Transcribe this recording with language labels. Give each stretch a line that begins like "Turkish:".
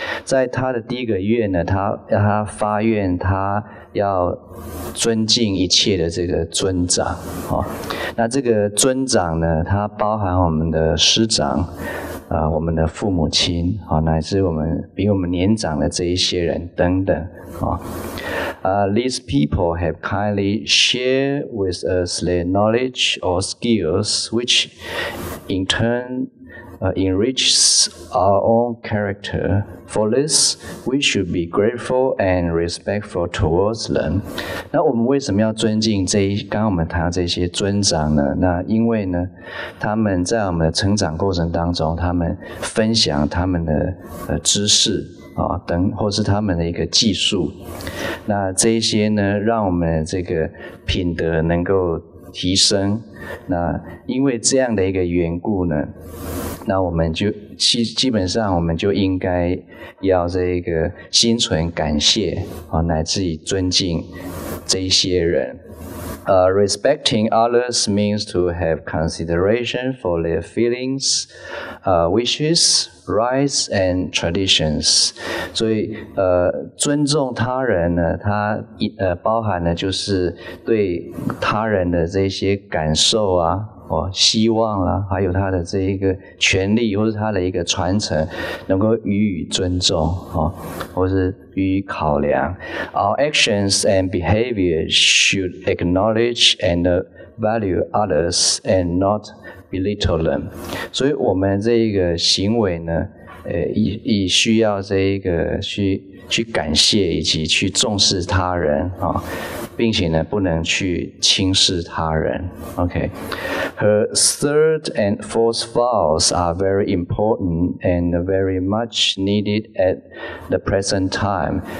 Chinese: 在她的第一个愿呢，她发愿她要尊敬一切的这个尊长，哦，那这个尊长呢，它包含我们的师长，我们的父母亲，哦，乃至我们比我们年长的这一些人等等，哦，
English: These people have kindly shared with us their knowledge or skills, which in turn enriches our own character. For this, we should be grateful and respectful towards them.
Chinese: 那我们为什么要尊敬这一刚刚我们谈到这些尊长呢？那因为呢，他们在我们的成长过程当中，他们分享他们的知识啊，等或是他们的一个技术，那这一些呢，让我们这个品德能够提升。那因为这样的一个缘故呢，那我们就基本上我们就应该要这个心存感谢，哦，乃至于尊敬这些人。
English: Respecting others means to have consideration for their feelings, wishes, rights, and traditions.
Chinese: 所以尊重他人呢，它包含的就是对他人的这些感受啊，哦，希望啊，还有他的这一个权利或是他的一个传承能够予以尊重，哦，或是予以考量。
English: Our actions and behavior should acknowledge and value others and not belittle them.
Chinese: 所以我们这一个行为呢，以需要这一个 去感谢以及去重视他人、哦、并且呢不能去轻视他人。
English: OK, Her third and fourth vows are very important and very much needed at the present time.